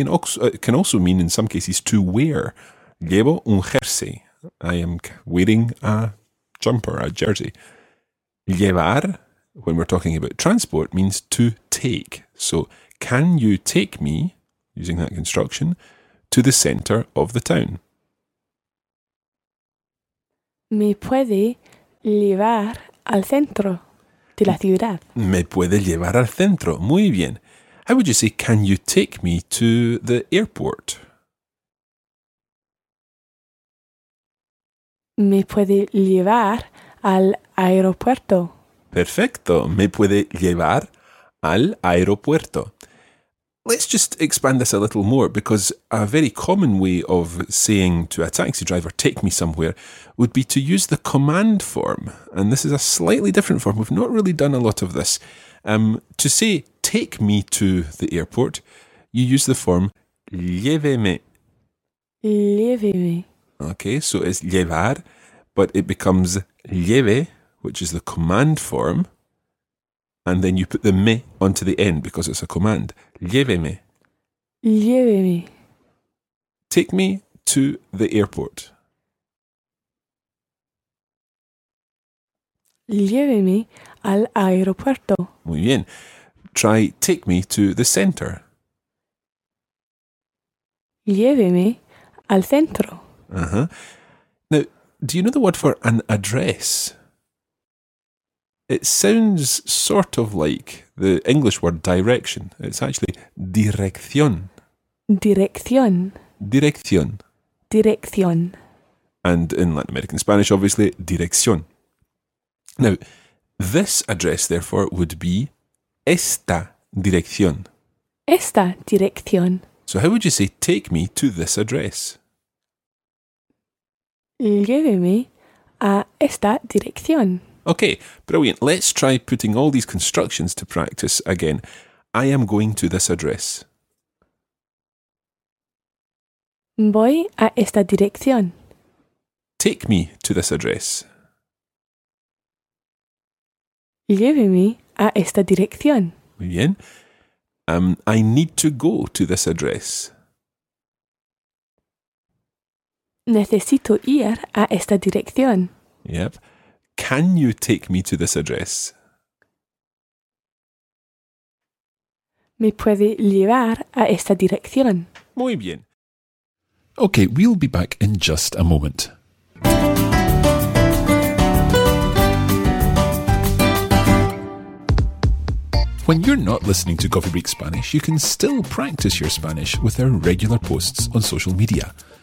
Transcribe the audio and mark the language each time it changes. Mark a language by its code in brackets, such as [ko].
[en] And also, it can also mean, in some cases, to wear. [es] Llevo un jersey. [en] I am wearing a jumper, a jersey. Llevar, when we're talking about transport, means to take. So, can you take me, using that construction, to the centre of the town? [es] Me puede llevar al centro. La ciudad. Me puede llevar al centro. Muy bien. [en] How would you say, can you take me to the airport? [es] Me puede llevar al aeropuerto. Perfecto. Me puede llevar al aeropuerto. [en] Let's just expand this a little more, because a very common way of saying to a taxi driver, take me somewhere, would be to use the command form. And this is a slightly different form. We've not really done a lot of this. To say, take me to the airport, you use the form, lléveme. [es] Lléveme. [en] Okay, so it's llevar, but it becomes lleve, which is the command form. And then you put the me onto the end because it's a command. [es] Lléveme. Lléveme. [en] Take me to the airport. [es] Lléveme al aeropuerto. Muy bien. [en] Try take me to the centre. [es] Lléveme al centro. Uh-huh. [en] Now, do you know the word for an address? It sounds sort of like the English word direction. It's actually dirección. [es] Dirección. Dirección. Dirección. [en] And in Latin American Spanish, obviously, dirección. Now, this address, therefore, would be [es] esta dirección. Esta dirección. [en] So how would you say, take me to this address? [es] Lléveme a esta dirección. [en] Okay, brilliant. Let's try putting all these constructions to practice again. I am going to this address. [es] Voy a esta dirección. [en] Take me to this address. [es] Lléveme a esta dirección. Muy bien. [en] I need to go to this address. [es] Necesito ir a esta dirección. [en] Yep. Can you take me to this address? [es] Me puede llevar a esta dirección. Muy bien. [en] Okay, we'll be back in just a moment. When you're not listening to Coffee Break Spanish, you can still practice your Spanish with our regular posts on social media.